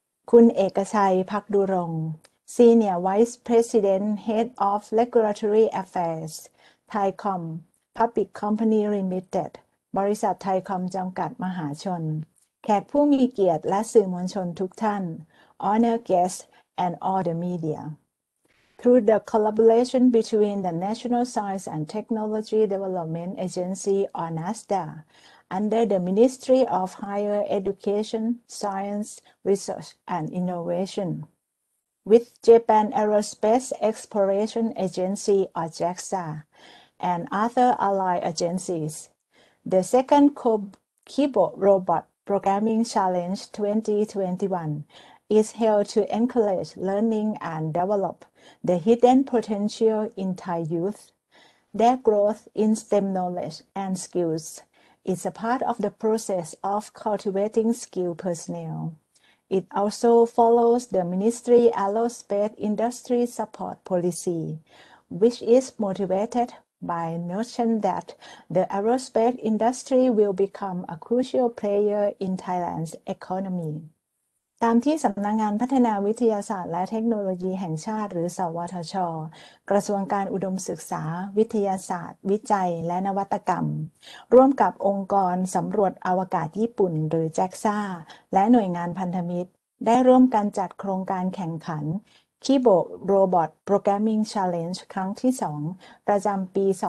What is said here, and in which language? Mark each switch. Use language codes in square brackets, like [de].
[th] คุณเอกชัยภักดุรงค์ Senior Vice President Head of Regulatory Affairs Thaicom Public Company Limited บริษัทไทคอมจำกัดมหาชนแขกผู้มีเกียรติและสื่อมวลชนทุกท่าน [en] Honor guests and all the media. Through the collaboration between the National Science and Technology Development Agency or NASDA under the Ministry of Higher Education, Science, Research and Innovation with Japan Aerospace Exploration Agency or JAXA and other allied agencies, the second keyboard robotProgramming Challenge 2021 is held to encourage learning and develop the hidden potential in Thai youth. Their growth in STEM knowledge and skills is a part of the process of cultivating skilled personnel. It also follows the Ministry Aerospace Industry Support Policy, which is motivated by notion that the aerospace industry will become a crucial player in Thailand's economy. [th] ตามที่สำนักงานพัฒนาวิทยาศาสตร์และเทคโนโลยีแห่งชาติหรือสวทช. กระทรวงการอุดมศึกษาวิทยาศาสตร์วิจัยและนวัตกรรมร่วมกับองค์กรสำรวจอวกาศญี่ปุ่นหรือ JAXA และหน่วยงานพันธมิตรได้ร่วมกันจัดโครงการแข่งขันคีโบะโรบอทโปรแกรมมิ่งชาเลนจ์ครั้งที่2ประจำปี